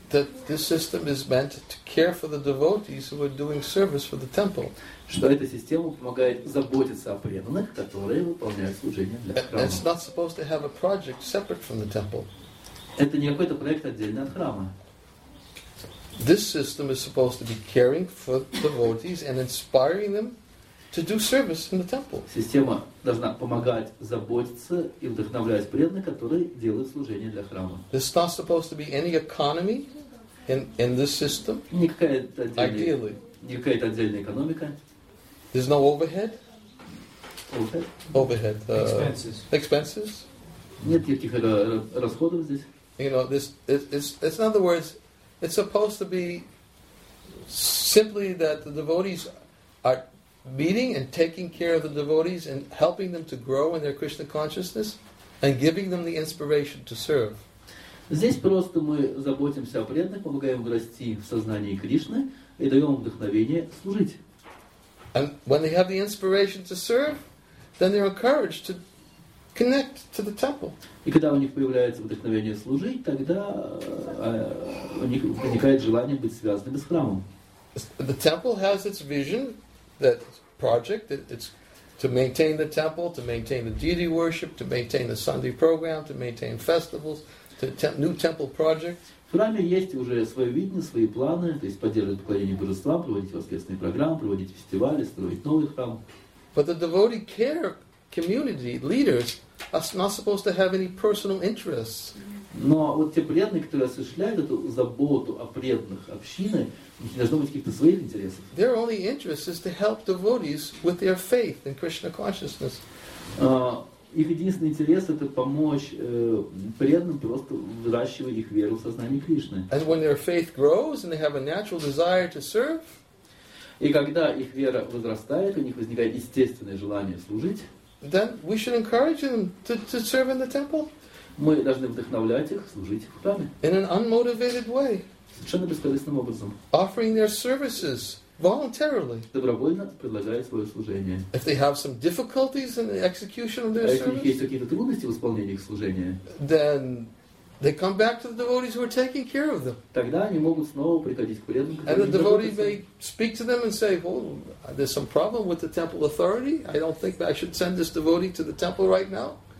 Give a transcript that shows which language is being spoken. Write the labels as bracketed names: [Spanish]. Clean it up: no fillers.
[English] That this system is meant to care for the devotees who are doing service for the temple. [Russian] Что эта система помогает заботиться о преданных, которые выполняют служение для храма. [English] It's not supposed to have a project separate from the temple. [Russian] Это не какой-то проект отдельно от храма. [English] This system is supposed to be caring for devotees and inspiring them to do service in the temple. [Russian] Система должна помогать, заботиться и вдохновлять преданных, которые делают служение для храма. [English] This is not supposed to be any economy in this system. [Russian] Никакая это отдельная экономика. [English] There's no overhead. Overhead. Expenses. [Russian] Нет никаких расходов здесь. [English] You know, it's in other words, it's supposed to be simply that the devotees are meeting and taking care of the devotees and helping them to grow in their Krishna consciousness and giving them the inspiration to serve. [Russian] Здесь просто мы заботимся о преданных, помогаем расти в сознании Кришны и даем вдохновение служить. [English] And when they have the inspiration to serve, then they're encouraged to connect to the temple. [Russian] И когда у них появляется вдохновение служить, тогда у них возникает желание быть связанными с храмом. [English] The temple has its vision. That project, it's to maintain the temple, to maintain the deity worship, to maintain the Sunday program, to maintain festivals, to new temple project. [Russian] В храме есть уже свое видение, свои планы, то есть поддерживать поклонение божествам, проводить воскресные программы, проводить фестивали, строить новый храм. [English] But the devotee care community leaders are not supposed to have any personal interests. [Russian] Но вот те преданные, которые осуществляют эту заботу о преданных общины, у них должно быть каких-то своих интересов. [English] Their only interest is to help devotees with their faith in Krishna consciousness. [Russian] Их единственный интерес это помочь преданным просто выращивать их веру в сознании Кришны. [English] And when their faith grows and they have a natural desire to serve, [Russian] И когда их вера возрастает, у них возникает естественное желание служить. [English] Then we should encourage them to serve in the temple. [Russian] Мы должны вдохновлять их служить в храме. [English] In an unmotivated way. [Russian] Совершенно бескорыстным образом. [English] Offering their services voluntarily. [Russian] Добровольно предлагая свое служение. [English] If they have some difficulties in the execution of their service. [Russian] Если у них есть какие-то трудности в исполнении их служения. [English] Then they come back to the devotees who are taking care of them. [Russian] Тогда они могут снова приходить к преданным. [English] And the devotee may speak to them and say, "Well, there's some problem with the temple authority. I don't think I should send this devotee to the temple right now."